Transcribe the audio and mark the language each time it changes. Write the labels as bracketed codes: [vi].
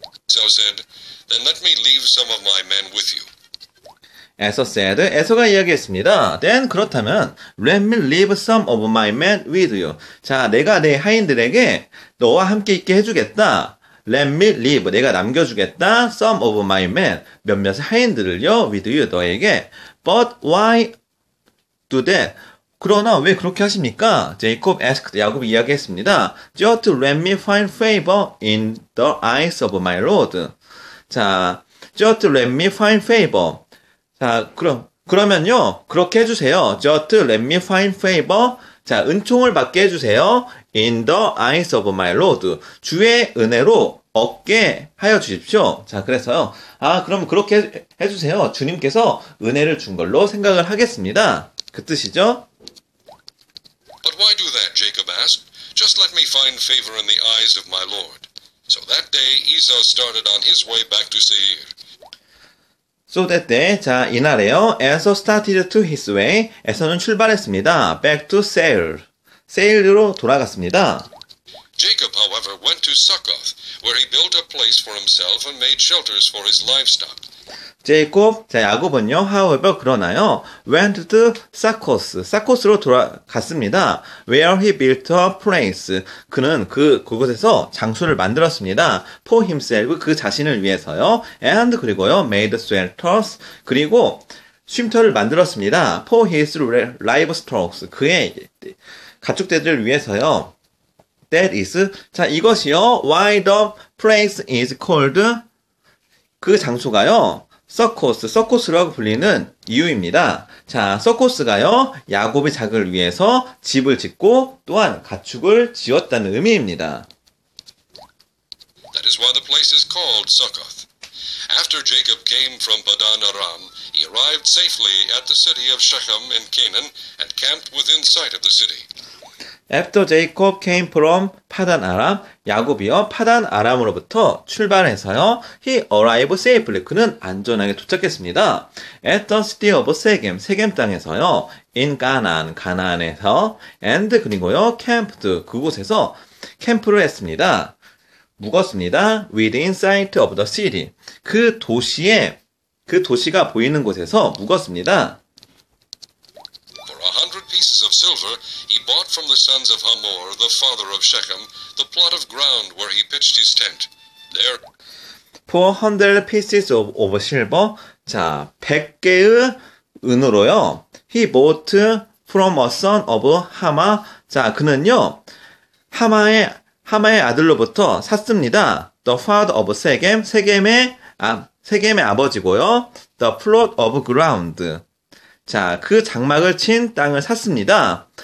[en] Esau said, then let me leave some of my men with you. Esau said, [ko] 에서가 이야기했습니다. [en] Then [ko] 그렇다면, [en] let me leave some of my men with you. [ko] 자, 내가 내 하인들에게 너와 함께 있게 해주겠다. [en] Let me leave, [ko] 내가 남겨주겠다. [en] Some of my men, [ko] 몇몇 하인들을요, [en] with you, [ko] 너에게. [en] But why do that? [ko] 그러나 왜 그렇게 하십니까? [en] Jacob asked, [ko] 야곱이 이야기했습니다. [en] Just let me find favor in the eyes of my lord. [ko] 자, [en] just let me find favor. [ko] 자, 그러면요. 그렇게 해주세요. [en] Just let me find favor. [ko] 자, 은총을 받게 해주세요. [en] In the eyes of my lord. [ko] 주의 은혜로 얻게 하여 주십시오. 자, 그래서요. 아, 그럼 그렇게 해주세요. 주님께서 은혜를 준 걸로 생각을 하겠습니다. 그 뜻이죠. [en] But why do that, Jacob asked? Just let me find favor in the eyes of my lord. So that day, Esau started on his way back to Seir. So that day, [ko] 자, 이날에요. [en] Enzo started to his way. [ko] 에서는 출발했습니다. [en] Back to Seir. [ko] 세일로 돌아갔습니다. [en] Jacob, however, went to Succoth, where he built a place for himself and made shelters for his livestock. [ko] 제이콥, 자, 야곱은요, [en] however, [ko] 그러나요, [en] went to Succoth, [ko] 사코스로 돌아갔습니다. [en] Where he built a place. [ko] 그는 그곳에서 장소를 만들었습니다. [en] For himself, [ko] 그 자신을 위해서요. [en] And, [ko] 그리고요, [en] made shelters. [ko] 그리고, 쉼터를 만들었습니다. [en] For his livestock, [ko] 그의 가축들을 위해서요. [en] That is, [ko] 자, 이것이요. [en] Why the place is called [ko] 그 장소가요. 서커스라고 불리는 이유입니다. 자, 서커스가요, 야곱의 자극을 위해서 집을 짓고 또한 가축을 지었다는 의미입니다. [en] That is why the place is called Succoth. After Jacob came from Padan Aram, he arrived safely at the city of Shechem in Canaan and camped within sight of the city. After Jacob came from Padan Aram, [ko] 야곱이요, Padan Aram으로부터 출발해서요, [en] he arrived safely. [ko] 그는 안전하게 도착했습니다. [en] At the city of Shechem, [ko] 세겜 땅에서요, [en] in Canaan, [ko] 가나안에서, [en] and [ko] 그리고요, [en] camped, [ko] 그곳에서 캠프를 했습니다. 묵었습니다. [en] Within sight of the city. [ko] 그 도시가 보이는 곳에서 묵었습니다. [en] Pieces of silver, he bought from the sons of Hamor, the father of Shechem, the plot of ground where he pitched his tent. There. 400 pieces of silver. [ko] 자, 100개의 은으로요. [en] He bought from a son of Hama. [ko] 자, 그는요. 하마의 아들로부터 샀습니다. [en] The father of Shechem. [ko] 세겜의 아버지고요. [en] The plot of ground. [ko] 자, 그 장막을 친 땅을 샀습니다.